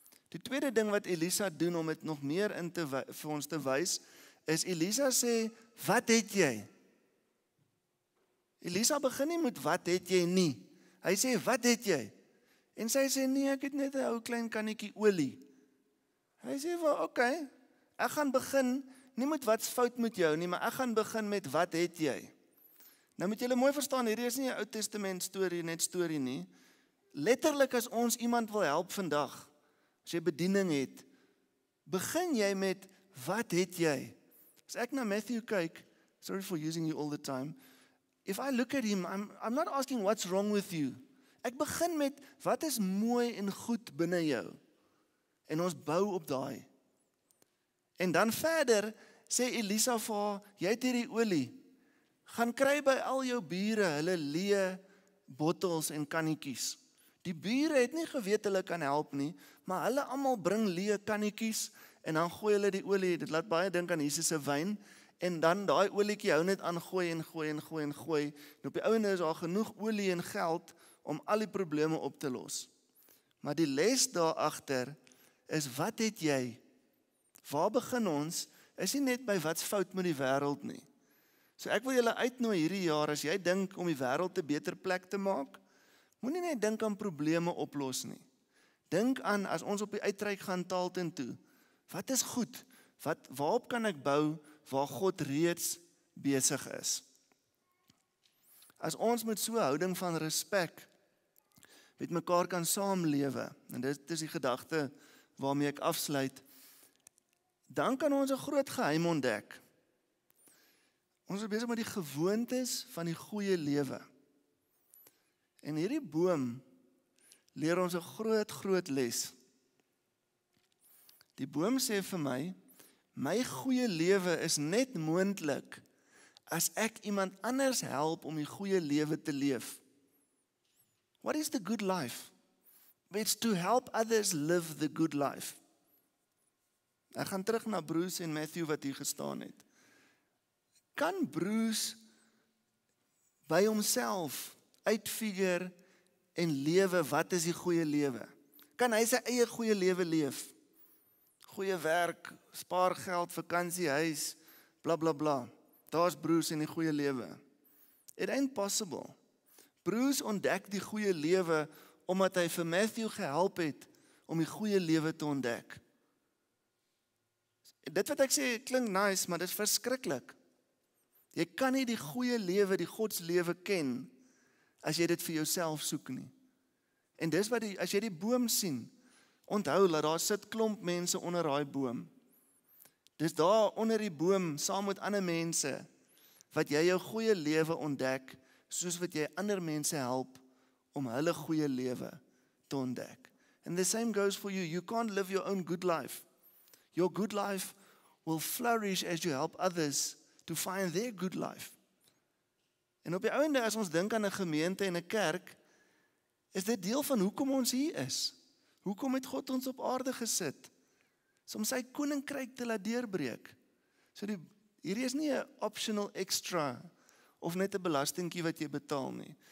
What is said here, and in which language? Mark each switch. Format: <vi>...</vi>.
<af>Die tweede ding wat Elisa doen om dit nog meer vir ons te wys, is Elisa sê, wat het jy? Elisa begin nie met wat het jy nie. Hy sê, wat het jy? En sy sê, nee, ek het net 'n ou klein kannetjie olie. Hy sê, well, okay, ek gaan begin, nie met wat's fout met jou nie, maar ek gaan begin met wat het jy. Nou moet julle mooi verstaan, hierdie is nie 'n Ou Testament story, net story nie. Letterlik as ons iemand wil help vandag, as jy bediening het, Begin jy met wat het jy? As ek na Matthew kyk,</af> <en>sorry for using you all the time. If I look at him, I'm not asking what's wrong with you.</en> <af>Ek begin met wat is mooi en goed binne jou. En ons bou op daai. En dan verder sê Elisa vir haar, jy het hierdie olie. Gaan kry by al jou bure hulle leë bottels en kannetjies. Die bure het nie geweet hulle kan help nie, maar hulle almal bring leë kannetjies en dan gooi hulle die olie. Dit laat baie dink aan Jesus se wyn. En dan daai olietjie hou net aan gooi en gooi en gooi en gooi. En op die ouende is daar genoeg olie en geld om al die probleme op te los. Maar die les daar agter is wat het jy? Waar begin ons? Is nie net by wat's fout met die wêreld nie. So ek wil julle uitnooi hierdie jaar as jy dink om die wêreld 'n beter plek te maak, moenie net dink aan probleme oplos nie. Dink aan as ons op die uitreik gaan Taalten toe. Wat is goed? Wat waarop kan ek bou? Waar God reeds besig is. As ons met so 'n houding van respek met mekaar kan saamlewe, en dit is die gedagte waarmee ek afsluit, dan kan ons 'n groot geheim ontdek. Ons is besig met die gewoontes van die goeie lewe. En hierdie boom leer ons 'n groot, groot les. Die boom sê vir my, My goeie lewe is net moontlik as ek iemand anders help om die goeie lewe te leef.</af> <en>What is the good life? It's to help others live the good life.</en> <af>Ek gaan terug na Bruce en Matthew wat hier gestaan het. Kan Bruce by homself uitfigure en lewe wat is die goeie lewe? Kan hy sy eie goeie lewe leef? Goeie werk, spaargeld, vakansie, huis, bla bla bla. Daar's Bruce en die goeie lewe.</af> <en>It ain't possible.</en> <af>Bruce ontdek die goeie lewe omdat hy vir Matthew gehelp het om die goeie lewe te ontdek. Dit wat ek sê klink nice, maar dit is verskriklik. Jy kan nie die goeie lewe, die Godslewe ken as jy dit vir jouself soek nie. En dis wat die, as jy die boom sien, Onthou, laat daar sit klomp mense onder daai boom. Dis daar onder die boom, saam met ander mense, wat jy jou goeie lewe ontdek, soos wat jy ander mense help om hulle goeie lewe te ontdek.</af> <en>And the same goes for you. You can't live your own good life. Your good life will flourish as you help others to find their good life.</en> <af>En op die einde, as ons dink aan 'n gemeente en 'n kerk, is dit deel van hoekom ons hier is. Hoekom het God ons op aarde gesit? Om sy koninkryk te laat deurbreek. So die, hierdie is nie 'n</af> <en>optional extra</en> <af>of net 'n belastingkie wat jy betaal nie.</af>